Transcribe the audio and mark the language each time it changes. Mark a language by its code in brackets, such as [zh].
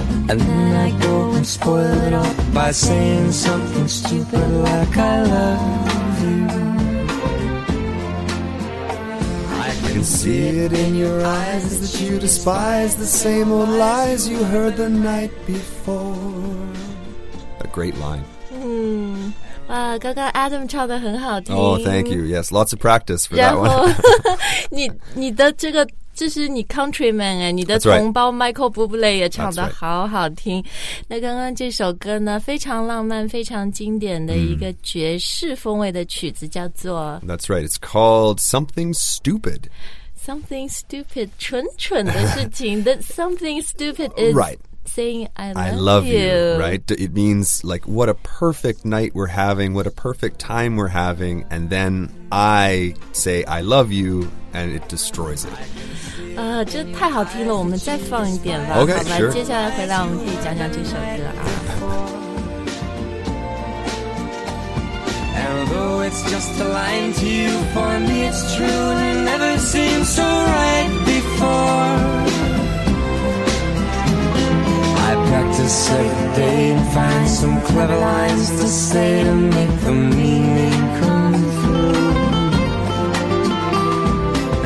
[en] And then I go and spoil it all by saying something stupid like I love you. I can see it in your eyes that you despise the same old lies you heard the night before. A great line. [zh] 哇刚刚 Adam 唱得很好听。 [en] Oh, thank you. Yes, lots of practice for that one. [zh] 你的这个这是你 countryman 哎，你的同胞 Michael Bublé 也唱得好好听。那刚刚这首歌呢，非常浪漫、非常经典的一个爵士风味的曲子，叫做 [en] That's right. It's called Something Stupid. [zh] Something Stupid， 蠢蠢的事情。 [en] That something stupid is right. Saying I love you, right? It means like what a perfect night we're having, what a perfect time we're having, and then I say I love you, and it destroys it. [zh] 这太好听了，我们再放一遍吧。 [en] Okay, [zh] 好吧 [en] sure. [zh] 接下来回来，我们可以讲讲这首歌啊。 [en] And though it's just a line to you, for me it's true, and it never seemed so right before. Practice every day and find some clever lines to say to make the meaning come through.